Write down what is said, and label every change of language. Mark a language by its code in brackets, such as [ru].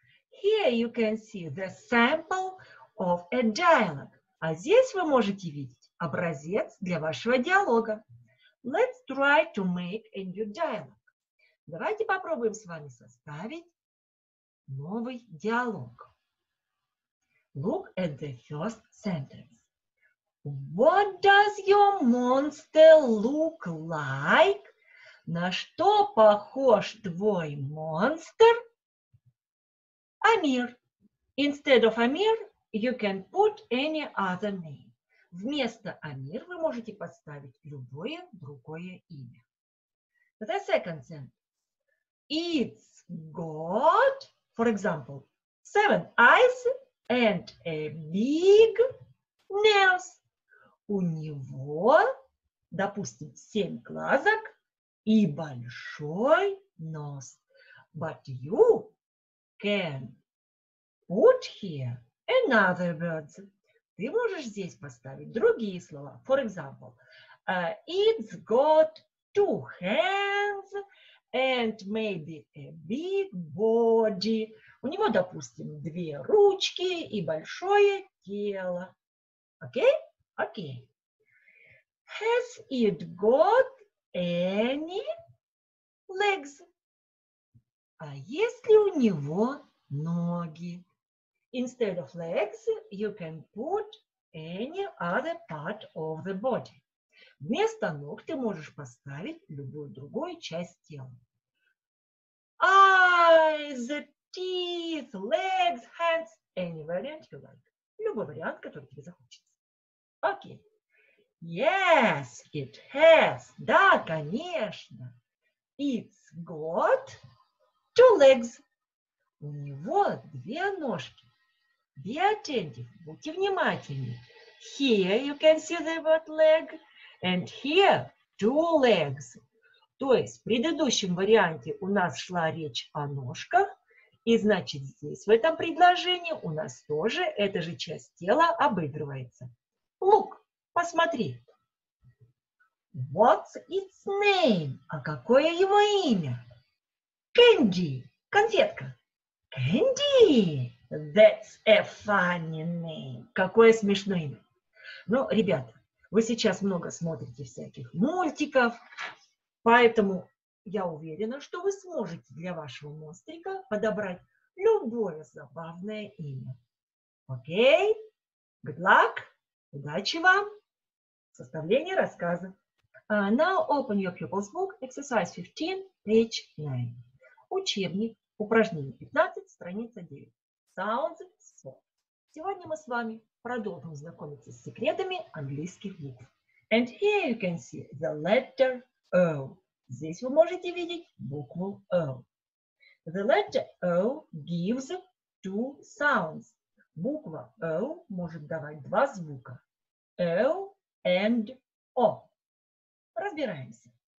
[en] Here you can see the sample of a dialogue. [ru] А здесь вы можете видеть образец для вашего диалога. [en] Let's try to make a new dialogue. [ru] Давайте попробуем с вами составить новый диалог. [en] Look at the first sentence. What does your monster look like? [ru] На что похож твой монстр? [en] Amir. Instead of Amir, you can put any other name. [ru] Вместо Amir вы можете поставить любое другое имя. [en] The second sentence. It's got, for example, 7 eyes and a big nose. [ru] У него, допустим, 7 глазок и большой нос. [en] But you can put here another words. [ru] Ты можешь здесь поставить другие слова. [en] For example, it's got 2 hands and maybe a big body. [ru] У него, допустим, 2 ручки и большое тело. [en] Окей? Окей. Has it got any legs? [ru] А есть ли у него ноги? [en] Instead of legs, you can put any other part of the body. [ru] Вместо ног ты можешь поставить любую другую часть тела. [en] Eyes, teeth, legs, hands, any variant you like. [ru] Любой вариант, который тебе захочется. [en] Окей. Okay. Yes, it has. [ru] Да, конечно. [en] It's got 2 legs. [ru] У него 2 ножки. [en] Be attentive, [ru] будьте внимательны. [en] Here you can see the word leg, and here two legs. [ru] То есть в предыдущем варианте у нас шла речь о ножках, и значит здесь в этом предложении у нас тоже эта же часть тела обыгрывается. [en] Look, [ru] посмотри. [en] What's its name? [ru] А какое его имя? Candy, конфетка. [en] Candy. That's a funny name. [ru] Какое смешное имя. Ну, ребята, вы сейчас много смотрите всяких мультиков, поэтому я уверена, что вы сможете для вашего монстрика подобрать любое забавное имя. Окей? [en] Good luck! [ru] Удачи вам! Составление рассказа. [en] Now open your pupil's book, exercise 15, page 9. [ru] Учебник, упражнение 15, страница 9. [en] Sounds so. [ru] Сегодня мы с вами продолжим знакомиться с секретами английских букв. [en] And here you can see the letter O. [ru] Здесь вы можете видеть букву O. [en] The letter O gives 2 sounds. [ru] Буква O может давать 2 звука. O and O. Разбираемся.